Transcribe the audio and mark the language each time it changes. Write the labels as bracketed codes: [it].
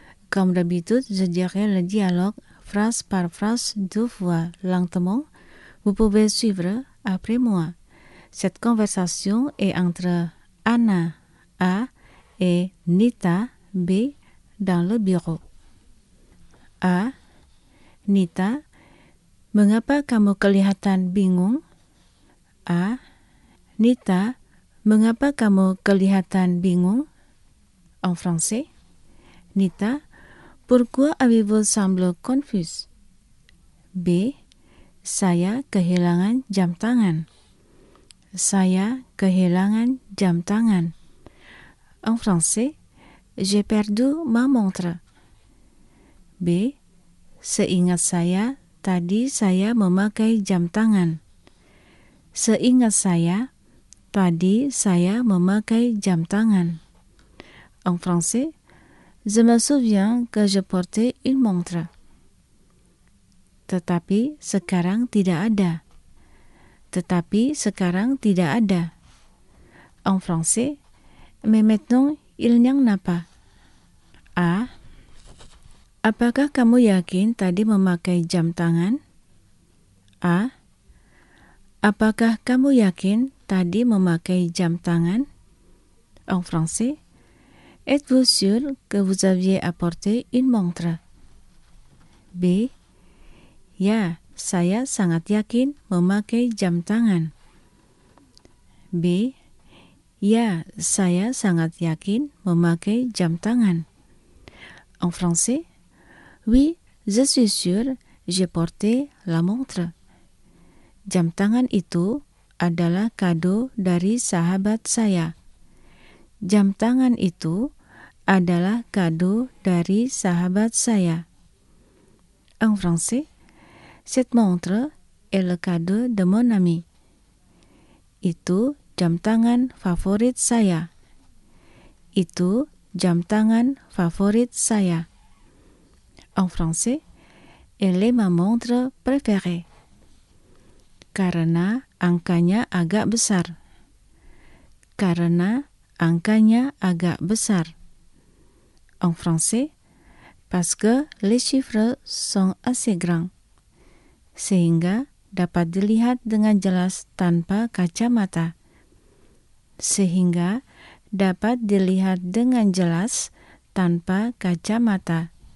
[fr] Comme d'habitude, je dirai le dialogue phrase par phrase deux fois lentement. Vous pouvez suivre après moi. Cette conversation est entre Anna A et Nita B dans le bureau. A. [id] Nita, mengapa kamu kelihatan bingung? A. Nita, mengapa kamu kelihatan bingung? [fr] En français. Nita, pourquoi avez-vous semblé confuse? B. [id] Saya kehilangan jam tangan. Saya kehilangan jam tangan. [fr] En français, j'ai perdu ma montre. [id] B. Seingat saya, tadi saya memakai jam tangan. Seingat saya, tadi saya memakai jam tangan. [fr] En français, je me souviens que je portais une montre. [id] Tetapi sekarang tidak ada. Tetapi sekarang tidak ada. [fr] En français, mais maintenant il n'y en a pas. A. [id] Apakah kamu yakin tadi memakai jam tangan? A. Apakah kamu yakin tadi memakai jam tangan? [fr] En français, êtes-vous sûr que vous aviez apporté une montre? [id] B. Ya. Saya sangat yakin memakai jam tangan. B. Ya, saya sangat yakin memakai jam tangan. [fr] En français, oui, Je suis sûr, j'ai porté la montre. [id] Jam tangan itu adalah kado dari sahabat saya. Jam tangan itu adalah kado dari sahabat saya. [fr] En français, cette montre est le cadeau de mon ami. [id] Itu jam tangan favorit saya. Itu jam tangan favorit saya. [fr] En français, elle est ma montre préférée. [id] Karena angkanya agak besar. Karena angkanya agak besar. [fr] En français, parce que les chiffres sont assez grands. [id] Sehingga dapat dilihat dengan jelas tanpa kacamata. Sehingga dapat dilihat dengan jelas tanpa kacamata.